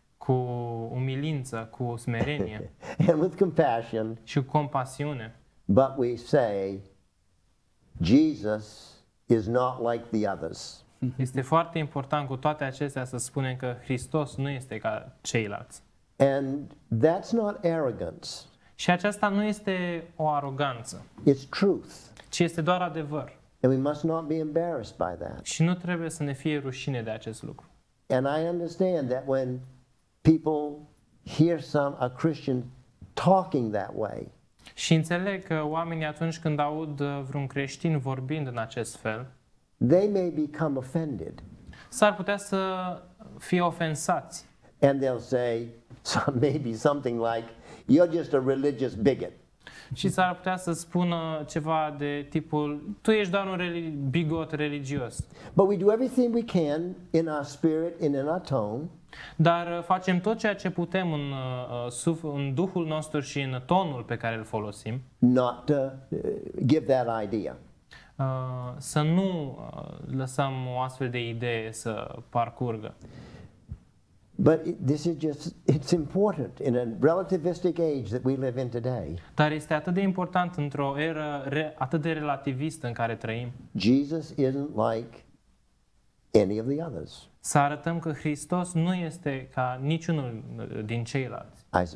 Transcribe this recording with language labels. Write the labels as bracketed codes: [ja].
[ro] cu umilință, cu smerenie. [en] And with compassion. [ro] Și compasiune. [en] But we say Jesus is not like the others. [ro] Este foarte important cu toate acestea să spunem că Hristos nu este ca ceilalți. [en] And that's not arrogance. [ro] Și aceasta nu este o aroganță. [en] It's truth. [ro] Ci este doar adevăr. [en] And we must not be embarrassed by that. [ro] Și nu trebuie să ne fie rușine de acest lucru. [en] And I understand that when people hear some a Christian talking that way. [ro] Și înțeleg că oamenii atunci când aud vreun creștin vorbind în acest fel, [en] they may become offended. [ro] S-ar putea să fie ofensați. [en] And they'll say maybe something like, "You're just a religious bigot." [ro] Și s-ar putea să spună ceva de tipul, "Tu ești doar un bigot religios." [en] But we do everything we can in our spirit and in our tone. [ro] Dar facem tot ceea ce putem în în duhul nostru și în tonul pe care îl folosim. [en] Not to give that idea. [ro] Să nu lăsăm o astfel de idee să parcurgă. [en] But this is just—it's important in a relativistic age that we live in today. [ro] Dar este atât de important într-o eră atât de relativistă în care trăim. [en] Jesus isn't like any of the others. [ro] Să arătăm că Hristos nu este ca niciunul din ceilalți.